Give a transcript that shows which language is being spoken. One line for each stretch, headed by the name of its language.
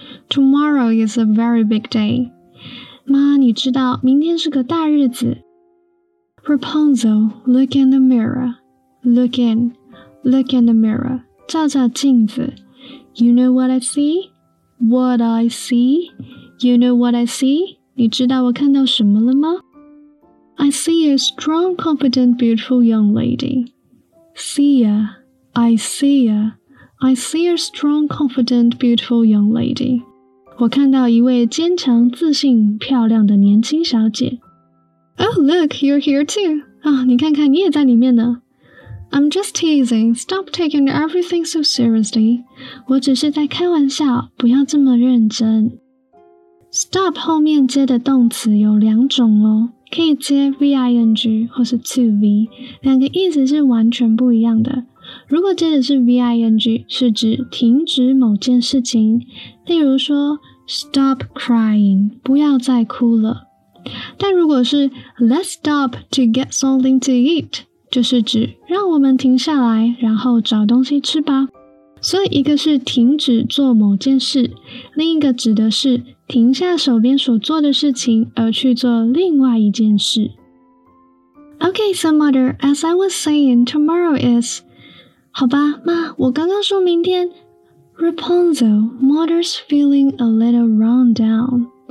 English: Tomorrow is a very big day.
Chinese: 妈，你知道明天是个大日子。
English: Rapunzel, look in the mirror. Look in the mirror.
Chinese: 照照镜子。
English: You know what I see? What I see? You know what I see?
Chinese: 你知道我看到什么了吗？
English: I see a strong, confident, beautiful young lady. I see a strong, confident, beautiful young lady.
Chinese: 我看到一位坚强、自信、漂亮的年轻小姐。
English: Oh, look, you're here too.
Chinese: 啊，你看看，你也在里面呢。
English: I'm just teasing. Stop taking everything so seriously.
Chinese: 我只是在开玩笑，不要这么认真。Stop 后面接的动词有两种哦，可以接 ving 或是 to v， 两个意思是完全不一样的。如果接的是 ving， 是指停止某件事情，例如说
English: stop crying，
Chinese: 不要再哭了。但如果是
English: let's stop to get something to eat。
Chinese: 就是指让我们停下来然后找东西吃吧，所以一个是停止做某件事，另一个指的是停下手边所做的事情而去做另外一件事。
English: OK, so mother, as I was saying, tomorrow is
Chinese: 好吧，妈，我刚刚说明天。
English: Rapunzel, mother's feeling a little run down.